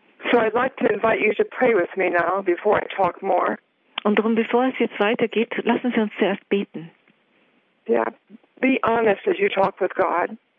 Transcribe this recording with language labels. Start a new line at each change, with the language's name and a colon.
English: So I'd like to invite you to pray with me now, before I talk more.
German: Und darum, bevor es jetzt weitergeht, lassen Sie uns zuerst beten.
English: Yeah, be honest as you talk with God.